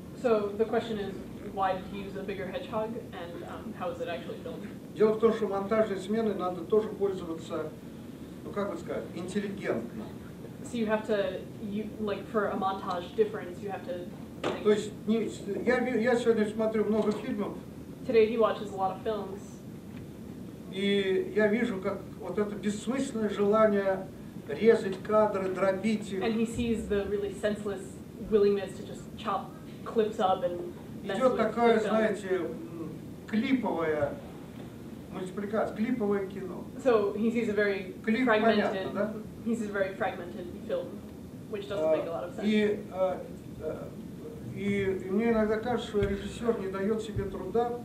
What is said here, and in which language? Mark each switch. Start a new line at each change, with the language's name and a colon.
English: So the question is, why did he use a bigger hedgehog, and how is it actually filmed?
Russian: Дело в том, что монтажной смены надо тоже пользоваться, ну как бы сказать, интеллигентно.
English: So you have to, like for a montage difference, you have to.
Russian: То есть я сегодня смотрю много фильмов.
English: Today he watches a lot of films.
Russian: И я вижу, как вот это бессмысленное желание резать кадры, дробить их.
English: And he sees the really senseless willingness to just chop clips up and.
Russian: Идет такое, знаете, клиповое. Мультипликация, клиповое кино.
English: So he sees a very
Russian: клип,
English: fragmented,
Russian: понятно, да?
English: He sees a very fragmented film, which doesn't make a lot of sense.
Russian: И мне иногда кажется, что режиссер не дает себе труда.